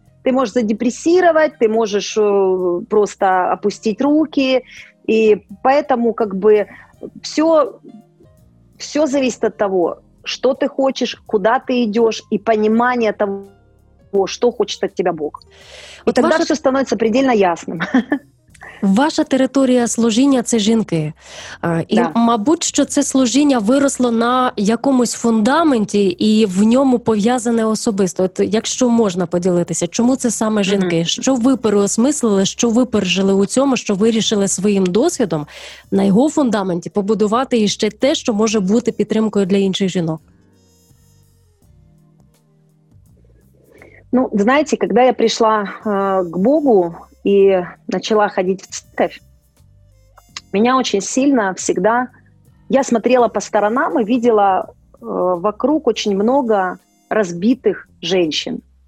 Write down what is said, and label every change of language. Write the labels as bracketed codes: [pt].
[ru] Ты можешь задепрессировать, ты можешь просто опустить руки. И поэтому как бы все зависит от того, что ты хочешь, куда ты идешь, и понимание того, что хочет от тебя Бог. И вот тогда все становится предельно ясным. [uk] Ваша територія служіння – це жінки. І, да. Мабуть, що це служіння виросло на якомусь фундаменті і в ньому пов'язане особисто. От якщо можна поділитися, чому це саме жінки? Mm-hmm. Що ви переосмислили, що ви пережили у цьому, що вирішили своїм досвідом на його фундаменті побудувати іще те, що може бути підтримкою для інших жінок? Ну, знаєте, коли я прийшла [ru] к Богу, и начала ходить в церковь, меня очень сильно всегда... Я смотрела по сторонам и видела вокруг очень много разбитых женщин.